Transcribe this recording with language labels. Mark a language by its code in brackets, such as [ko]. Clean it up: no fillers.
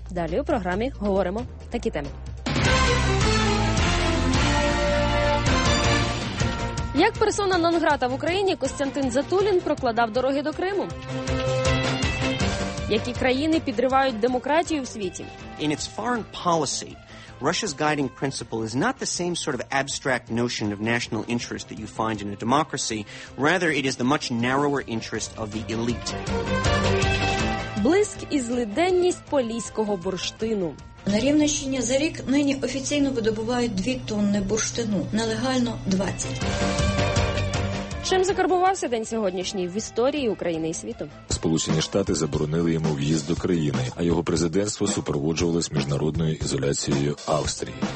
[uk] Далі у програмі говоримо такі теми. Як персона нон-грата в Україні Костянтин Затулін прокладав дороги до Криму? Які країни підривають демократію в світі? [en] In its foreign policy, Russia's guiding principle is not the same sort of abstract notion of national interest that you find in a democracy. Rather, it is the much narrower interest of the elite. [uk] Блиск і злиденність поліського бурштину. На Рівненщині за рік нині офіційно видобувають 2 тонни бурштину, нелегально 20. Чим закарбувався день сьогоднішній в історії України і світу? Сполучені Штати заборонили йому в'їзд до країни, а його президентство супроводжувалось міжнародною ізоляцією Австрії.